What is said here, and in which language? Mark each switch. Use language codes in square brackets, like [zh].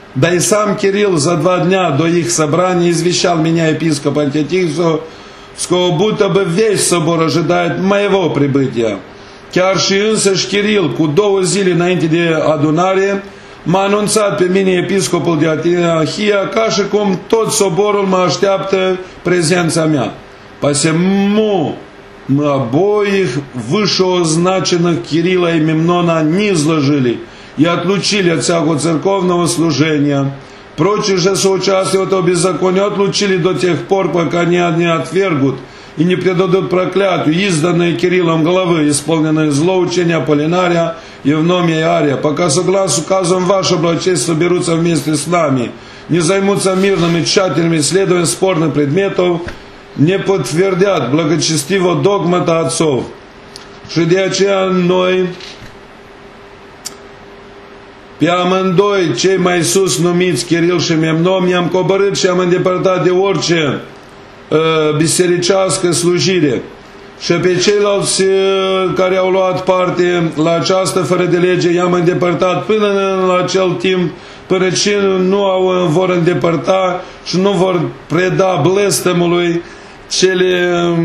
[ro] Dar [ru] сам Кирилл за два дня до их собрания извещал меня епископ Антиохийцу, сколько будто бы весь собор ожидает моего прибытия. [ro] Chiar și însăși Кирилл, cu două zile înainte de adunare, m-a anunțat pe mine episcopul de Antiohia, ca și cum tot soborul mă așteaptă prezența mea. [ru] Посему мы обоих вышеозначенных Кирилла и Мемнона низложили и отлучили от всякого церковного служения. Прочих же соучастников этого беззакония отлучили до тех пор, пока они не отвергут и не предадут проклятию, изданное Кириллом главы, исполненное злоучения Аполлинария и Евномия и Ария, пока согласно указам ваше благочестие соберутся вместе с нами, не займутся мирным и тщательным исследованием спорных предметов, не подтвердят благочестиво догмата отцов. [ro] Și de aceea noi, pe amândoi cei mai sus numiți Kirill și Memnon, i-am coborât și am îndepărtat de orice bisericească slujire. Și pe ceilalți care au luat parte la această fără de lege, i-am îndepărtat până în acel timp, până ce nu vor îndepărta și nu vor preda blestemului cele